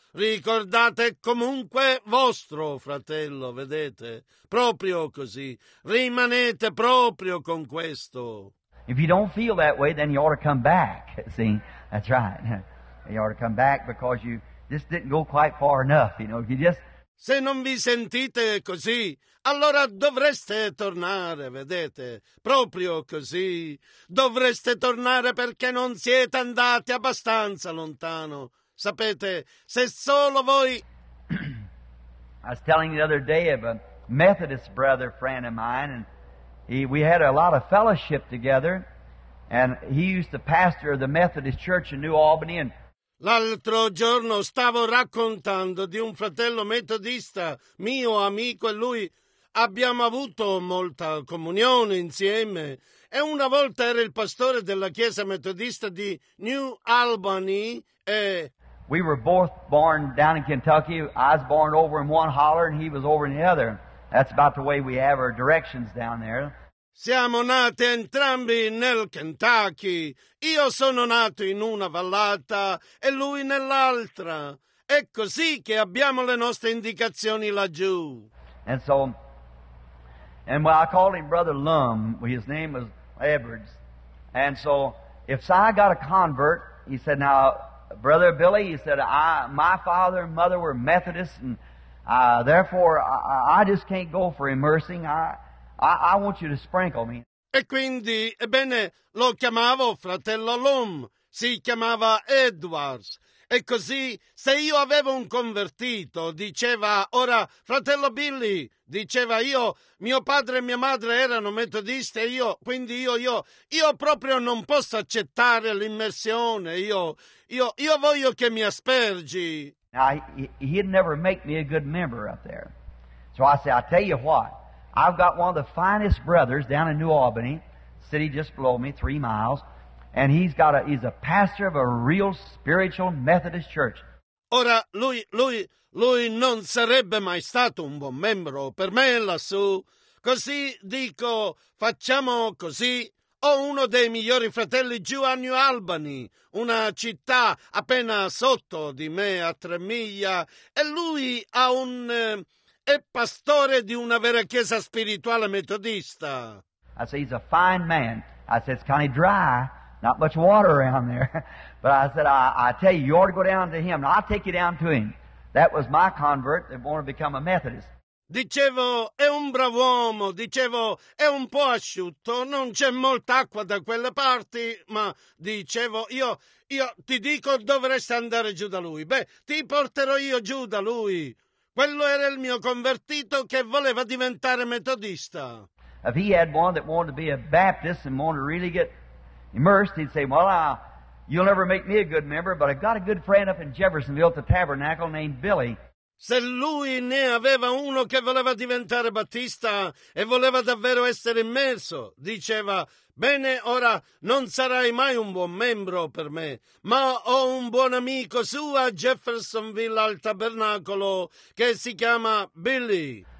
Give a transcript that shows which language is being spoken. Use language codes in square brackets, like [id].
[it] Ricordate comunque vostro fratello, vedete? Proprio così. Rimanete proprio con questo. [en] If you don't feel that way, then you ought to come back. See, that's right. You ought to come back because you just didn't go quite far enough. You know, [it] Se non vi sentite così, allora dovreste tornare, vedete? Proprio così. Dovreste tornare perché non siete andati abbastanza lontano. Sapete, se solo voi... [en] I was telling the other day of a Methodist brother friend of mine, and we had a lot of fellowship together, and he used to pastor the Methodist church in New Albany, and [it] l'altro giorno stavo raccontando di un fratello metodista, mio amico, e lui abbiamo avuto molta comunione insieme. E una volta era il pastore della chiesa metodista di New Albany e... [en] We were both born down in Kentucky. I was born over in one holler and he was over in the other. That's about the way we have our directions down there. [it] Siamo nati entrambi nel Kentucky. Io sono nato in una vallata e lui nell'altra. È così che abbiamo le nostre indicazioni laggiù. [en] And so, and well, I called him Brother Lum. His name was Edwards. And so, if Si got a convert, he said, now, Brother Billy, he said, my father and mother were Methodists, and therefore I just can't go for immersing. I want you to sprinkle me. [it] E quindi, ebbene, lo chiamavo fratello Lum, si chiamava Edwards. E così, se io avevo un convertito, diceva, ora, fratello Billy, diceva io, mio padre e mia madre erano metodisti, io proprio non posso accettare l'immersione, io voglio che mi aspergi. [en] Now, he'd never make me a good member up there. So I say, I tell you what, I've got one of the finest brothers down in New Albany, city just below me, 3 miles, and he's a pastor of a real spiritual Methodist church. [it] Ora, lui non sarebbe mai stato un buon membro per me lassù. Così dico, facciamo così. Ho uno dei migliori fratelli giù a New Albany, una città appena sotto di me a 3 miglia, e lui ha un... è pastore di una vera chiesa spirituale metodista. [en] I said, he's a fine man. I said, it's kind of dry. Not much water around there. But I said, I tell you, you ought to go down to him. And I'll take you down to him. That was my convert that wanted to become a Methodist. [it] Dicevo, è un brav'uomo. Dicevo, è un po' asciutto. Non c'è molta acqua da quelle parti. Ma dicevo, io ti dico, dovresti andare giù da lui. Beh, ti porterò io giù da lui. Quello era il mio convertito che voleva diventare metodista. [en] If he had one that wanted to be a Baptist and wanted to really get immersed, he'd say, well, you'll never make me a good member, but I've got a good friend up in Jeffersonville at the tabernacle named Billy. [it] Se lui ne aveva uno che voleva diventare battista e voleva davvero essere immerso, diceva, bene, ora non sarai mai un buon membro per me, ma ho un buon amico su a Jeffersonville al tabernacolo che si chiama Billy.